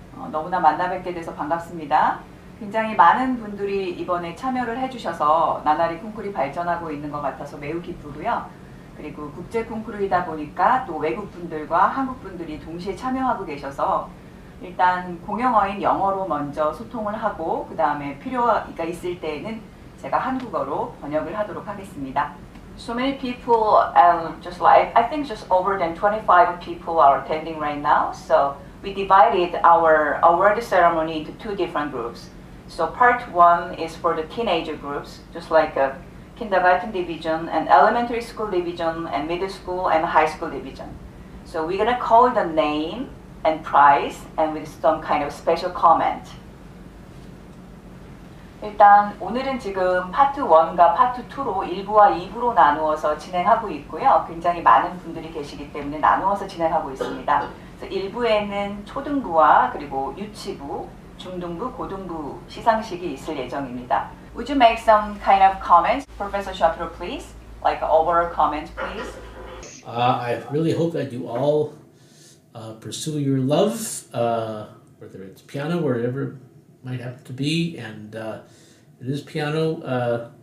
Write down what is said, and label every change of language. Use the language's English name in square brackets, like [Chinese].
[Korean] 너무나 만나 뵙게 돼서 반갑습니다. 굉장히 많은 분들이 이번에 참여를 해주셔서 나날이 콩쿠르가 발전하고 있는 것 같아서 매우 기쁘고요. 그리고 국제 콩쿠르이다 보니까 또 외국 분들과 한국 분들이 동시에 참여하고 계셔서 일단 공용어인 영어로 먼저 소통을 하고 그 다음에 필요가 있을 때에는 제가 한국어로 번역을 하도록 하겠습니다. [English] So many people, just like, I think just over than 25 people are attending right now. So we divided our award ceremony into two different groups. So part one is for the teenager groups, just like a kindergarten division and elementary school division and middle school and high school division. So we're going to call the name and prize and with some kind of special comment. [Korean] 일단 오늘은 지금 파트 1과 파트 2로 1부와 2부로 나누어서 진행하고 있고요. 굉장히 많은 분들이 계시기 때문에 나누어서 진행하고 있습니다. 그래서 1부에는 초등부와 그리고 유치부, 중등부, 고등부 시상식이 있을 예정입니다. [English] Would you make some kind of comments, Professor Shapiro, please? Like overall comments, please? I really hope that you all pursue your love, whether it's piano or whatever. Might have to be, and it is piano.